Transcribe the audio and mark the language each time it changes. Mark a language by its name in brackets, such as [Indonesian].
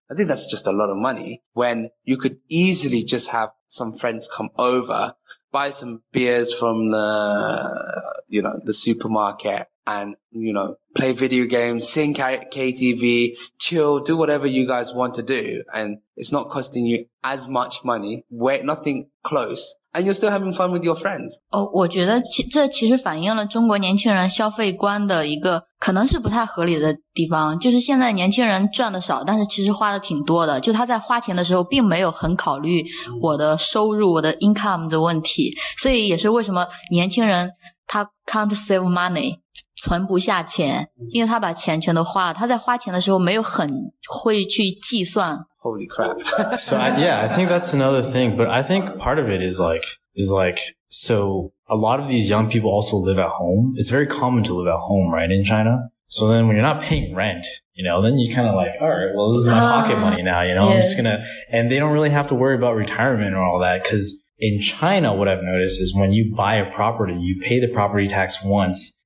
[English] I think that's just a lot of money when you could easily just have some friends come over, buy some beers from the, you know, the supermarket. And, you know, play video games, sing KTV, chill, do whatever you guys want to do. And it's not costing you as much money, nothing close. And you're still having fun with your friends. [Chinese] 哦、oh, 我觉得这其实反映了中国年轻人消费观的一个可能是不太合理的地方。就是现在年轻人赚的少但是其实花的挺多的。就他在花钱的时候并没有很考虑我的收入我的 income 的问题。所以也是为什么年轻人他 [English] can't save money。 [Chinese] 存不下钱，因为他把钱全都花了。他在花钱的时候没有很会去计算。 [English] Holy crap! So I think that's another thing. But I think part of it is like, so a lot of these young people also live at home. It's very common to live at home, right, in China. So then when you're not paying rent, you know, then you kind of like, all right, well, this is my pocket money now. You know, yes. I'm just gonna, and they don't really have to worry about retirement or all that because in China, what I've noticed is when you buy a property, you pay the property tax once.